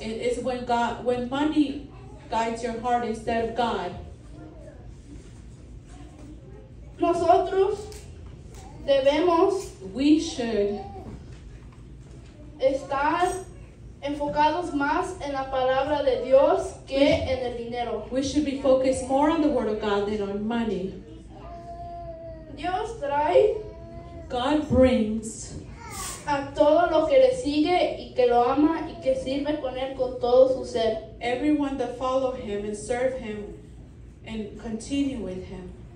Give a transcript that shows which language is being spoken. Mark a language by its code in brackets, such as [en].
[en] It's when God, when money guides your heart instead of God. [es] Nosotros debemos [en] we should [es] estar enfocados más en la palabra de Dios que en el dinero. [en] We should be focused more on the word of God than on money. [es] Dios trae [en] God brings [es] a todo lo que le sigue y que lo ama y que sirve con él con todo su ser. [en] Everyone that follow him and serve him and continue with him.